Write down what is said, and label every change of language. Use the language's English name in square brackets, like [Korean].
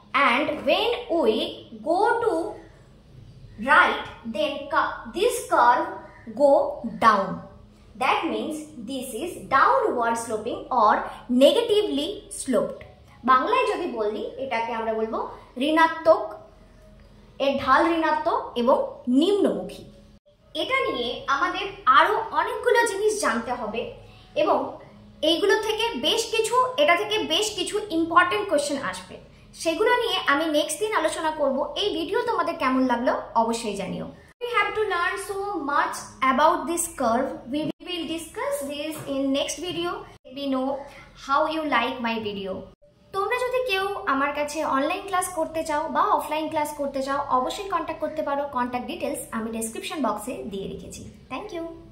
[English] And when we go to right, then this curve go down. That means this is downward sloping or negatively sloped. [Bangla] বাংলায় যদি বললি এটাকে আমরা বলবো ঋণাত্মক, এর ঢাল ঋণাত্মক এবং নিম্নমুখী. এটা নিয়ে আমাদের আরো অনেকগুলো জিনিস জানতে হবে এবং এইগুলো থেকে বেশ কিছু ইম্পর্টেন্ট কোয়েশ্চেন আসবে. সেগুলো নিয়ে আমি নেক্সট দিন আলোচনা করব. এই ভিডিও তোমাদের কেমন লাগলো অবশ্যই জানিও. [English] We have to learn so much about this curve. We will discuss this in next video. Let me know how you like my video. [Bangla] তোমরা যদি কেউ আমার কাছে অনলাইন ক্লাস করতে চাও বা অফলাইন ক্লাস করতে চাও অবশ্যই কন্ট্যাক্ট করতে পারো. কন্ট্যাক্ট ডিটেলস আমি ডেসক্রিপশন বক্সে দিয়ে রেখেছি. Thank you.